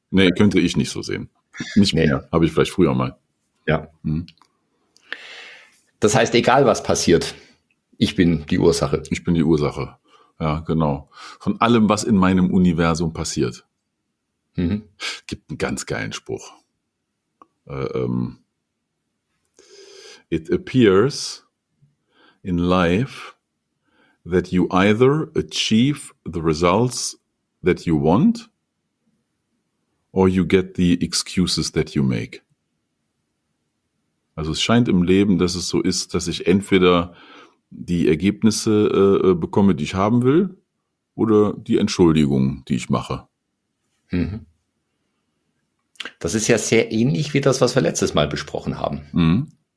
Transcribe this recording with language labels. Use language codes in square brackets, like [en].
[de] Nee, könnte ich nicht so sehen. Nicht mehr. Nee. Habe ich vielleicht früher mal. Ja. Mhm. Das heißt, egal was passiert, ich bin die Ursache. Ich bin die Ursache. Ja, genau. Von allem, was in meinem Universum passiert. Gibt einen ganz geilen Spruch. [en] It appears in life that you either achieve the results that you want or you get the excuses that you make. [de] Also es scheint im Leben, dass es so ist, dass ich entweder die Ergebnisse bekomme, die ich haben will, oder die Entschuldigung, die ich mache. Das ist ja sehr ähnlich wie das, was wir letztes Mal besprochen haben.